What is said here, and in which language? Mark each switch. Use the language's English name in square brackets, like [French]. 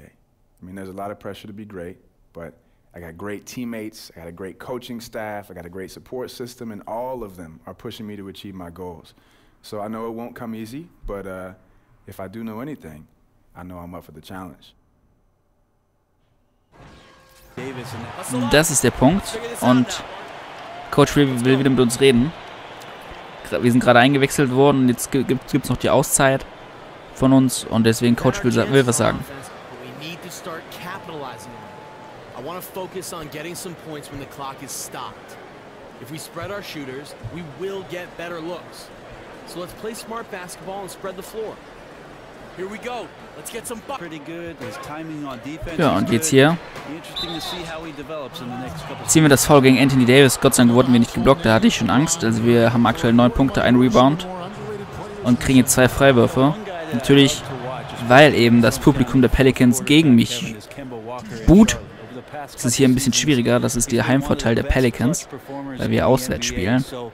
[English] I mean, there's a lot of pressure to be great, but I got great teammates, I got a great coaching staff, I got a great support system, and all of them are pushing me to achieve my goals. So I know it won't come easy, but if I do know anything, I know I'm up for the challenge. [German] Das ist der Punkt, und Coach will wieder mit uns reden. Wir sind gerade eingewechselt worden, und jetzt gibt's noch die Auszeit von uns, und deswegen Coach will was sagen. [English] I want to focus on getting some points when the clock is stopped. If we spread our shooters, we will get better looks. So let's play smart basketball and spread the floor. Here we go. Let's get some buckets. Pretty good. His timing on defense. [German] Ja, und jetzt hier. [English] Interesting to see how he develops in the next couple. [German] Ziehen wir das Foul gegen Anthony Davis. Gott sei Dank wurden wir nicht geblockt. Da hatte ich schon Angst. Also wir haben aktuell 9 Punkte, 1 Rebound und kriegen jetzt 2 Freiwürfe. Natürlich, weil eben das Publikum der Pelicans gegen mich buht. Es ist hier ein bisschen schwieriger, das ist der Heimvorteil der Pelicans, weil wir auswärts spielen.